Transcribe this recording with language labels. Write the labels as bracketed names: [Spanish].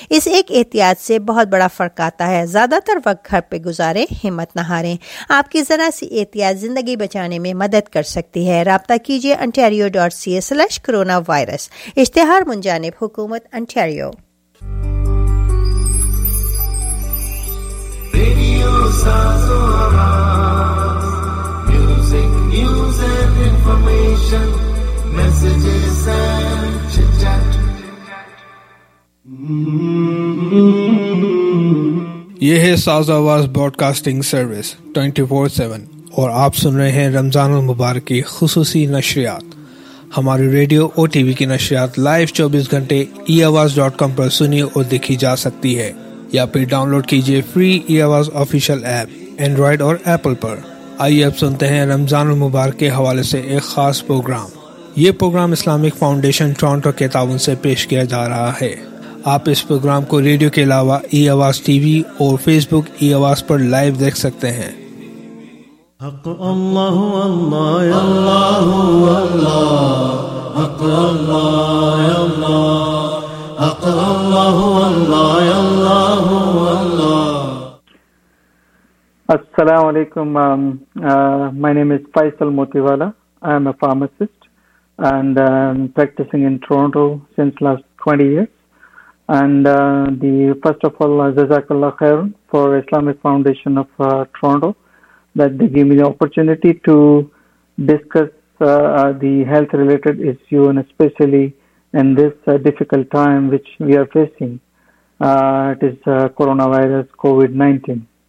[Urdu] اس ایک احتیاط سے بہت بڑا فرق آتا ہے زیادہ تر وقت گھر پہ گزاریں ہمت نہ ہاریں آپ کی ذرا سی احتیاط زندگی بچانے میں مدد کر سکتی ہے رابطہ کیجیے ontario.ca/coronavirus اشتہار منجانے حکومت انٹیریو [English] radio ساز و آواز music news and information messages and chit [Urdu] یہ ہے ساز آواز براڈ کاسٹنگ سروس 24/7 اور آپ سن رہے ہیں رمضان المبارک کی خصوصی نشریات. ہماری ریڈیو او ٹی وی کی نشریات لائیو 24 گھنٹے eawaz.com پر سنی اور دیکھی جا سکتی ہے, یا پھر ڈاؤن لوڈ کیجیے فری ای آواز آفیشیل ایپ اینڈرائڈ اور ایپل پر. آئیے اب سنتے ہیں رمضان المبارک کے حوالے سے ایک خاص پروگرام. یہ پروگرام اسلامک فاؤنڈیشن ٹورنٹو کے تعاون سے پیش کیا جا رہا ہے. آپ اس پروگرام کو ریڈیو کے علاوہ ای آواز ٹی وی اور فیس بک ای آواز پر لائیو دیکھ سکتے ہیں. [Arabic] حق اللہ اللہ اللہ اللہ حق اللہ اللہ حق اللہ اللہ اللہ اللہ. [English] السلام علیکم, my name is Faisal Motiwala. I am a pharmacist and practicing in Toronto since last 20 years. And the first of all, Jazakallah khair for Islamic Foundation of Toronto that they give me the opportunity to discuss the health related issue, and especially in this difficult time which we are facing, it is coronavirus COVID-19.